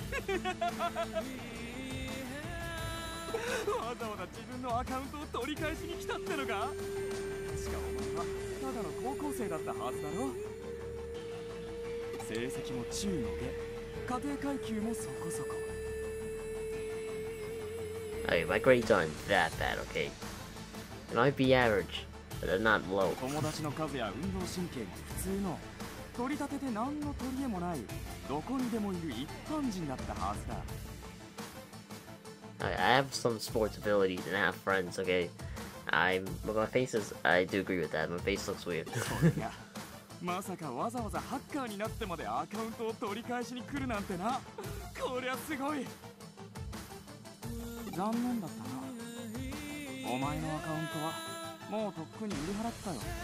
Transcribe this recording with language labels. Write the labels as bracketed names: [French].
[Japanese] わざわざ自分のアカウントを取り返しに来たってのか。しかもお前はただの高校生だったはずだろ。成績も中の下、家庭階級もそこそこ。 [English] Hey, my grades aren't that bad, okay? It might be average, but they're not low. [Japanese] 友達の数や運動神経も普通の、取り立てて何の取り柄もない、どこにでもいる一般人だったはずだ。 [English] I have some sports abilities and I have friends, okay? I do agree with that. My face looks weird. [Japanese] まさかわざわざハッカーになってまでアカウントを取り返しに来るなんてな。こりゃすごい。残念だったな。お前のアカウントはもうとっくに売り払ったよ。